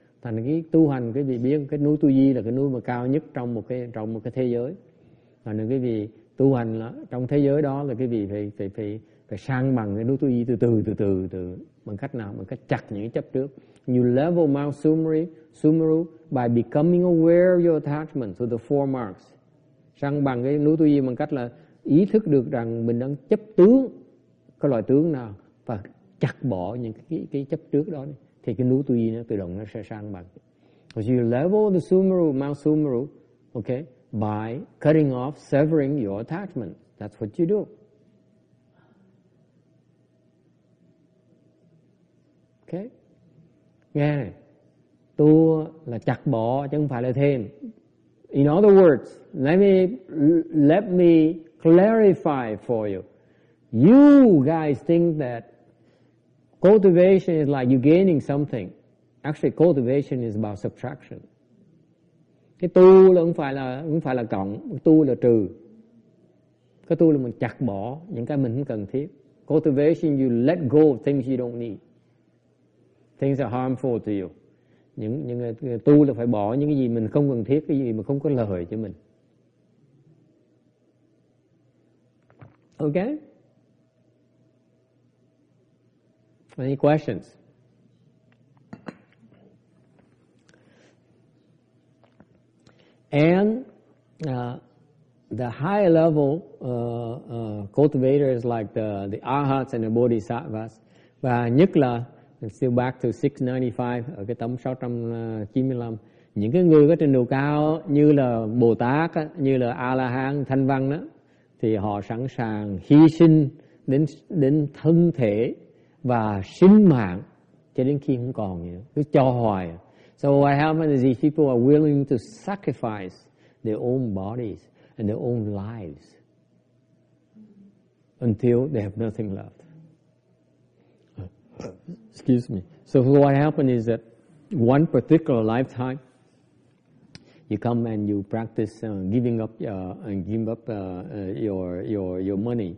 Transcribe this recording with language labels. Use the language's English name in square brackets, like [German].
[Vietnamese] Thành cái tu hành, cái vị biết cái núi tu di là cái núi mà cao nhất trong một cái thế giới. Thành cái vị tu hành là trong thế giới đó là cái vị phải sang bằng cái núi tu di từ từ bằng cách nào? Bằng cách chặt những chấp trước. [English] You level Mount Sumeru by becoming aware of your attachment to the four marks. [Vietnamese] Sang bằng cái núi tu di bằng cách là ý thức được rằng mình đang chấp tướng cái loại tướng nào và chặt bỏ những cái chấp trước đó đi. Thì cái núi tu di nó tự động nó sẽ sang bằng. [English] So you level the Mount Sumeru, okay, by cutting off, severing your attachment. That's what you do. [Vietnamese] Okay? Nghe này. Tu là chặt bỏ chứ không phải là thêm. [English] In other words, let me clarify for you. You guys think that cultivation is like you gaining something. Actually, cultivation is about subtraction. [Vietnamese] Cái tu là không phải là cộng, tu là trừ. Cái tu là mình chặt bỏ những cái mình không cần thiết. [English] Cultivation, you let go of things you don't need. Things are harmful to you. [Vietnamese] Những tu là phải bỏ những cái gì mình không cần thiết, cái gì mà không có lợi cho mình. [English] Okay? Any questions? And the higher level cultivators like the arhats and the bodhisattvas, [Vietnamese] và nhất là [English] still back to 695 [Vietnamese] ở cái tấm 695, những cái người có trình độ cao như là Bồ Tát, như là A La Hán, Thanh Văn đó, thì họ sẵn sàng hy sinh đến thân thể và sinh mạng cho đến khi không còn nữa, cứ cho hoài. [English] So what happens is these people are willing to sacrifice their own bodies and their own lives until they have nothing left. Excuse me. So what happens is that one particular lifetime, you come and you practice giving up your money.